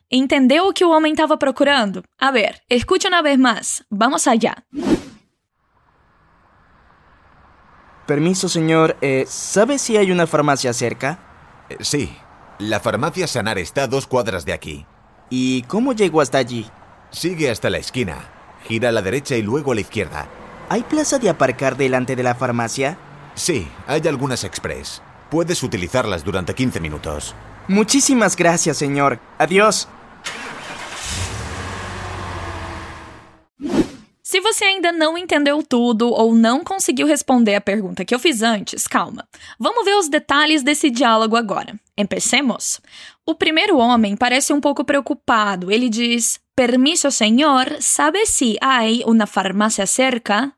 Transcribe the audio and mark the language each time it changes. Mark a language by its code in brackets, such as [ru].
[pt] ¿Entendeu o que o homem estava procurando? [es] A ver, escucha una vez más. Vamos allá. Permiso, señor. ¿Sabe si hay una farmacia cerca? Sí. La farmacia Sanar está a 2 cuadras de aquí. ¿Y cómo llego hasta allí? Sigue hasta la esquina. Gira a la derecha y luego a la izquierda. ¿Hay plaza de aparcar delante de la farmacia? Sí, hay algunas express. Puedes utilizarlas durante 15 minutos. Muchísimas gracias, señor. Adiós. [pt] Se você ainda não entendeu tudo ou não conseguiu responder a pergunta que eu fiz antes, calma. Vamos ver os detalhes desse diálogo agora. [es] Empecemos. [pt] O primeiro homem parece um pouco preocupado. Ele diz, permiso, senhor, sabe se há uma farmácia cerca?